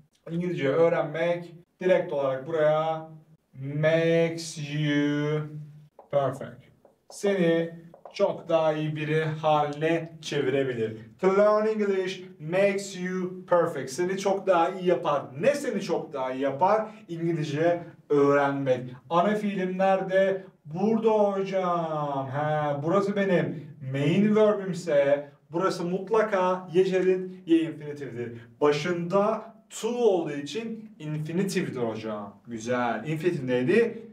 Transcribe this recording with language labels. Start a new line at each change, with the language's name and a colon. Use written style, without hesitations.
Turkish: İngilizce öğrenmek direkt olarak buraya
English: makes you perfect.
Turkish: Seni çok daha iyi biri haline çevirebilir.
English: To learn English makes you perfect.
Turkish: Seni çok daha iyi yapar. Ne seni çok daha iyi yapar? İngilizce öğrenmek. Ana fiilim nerede? Burada hocam. He, burası benim. Main verbimse burası mutlaka yecerin ye infinitive'dir. Başında to olduğu için infinitive'dir hocam. Güzel. Infinitive neydi?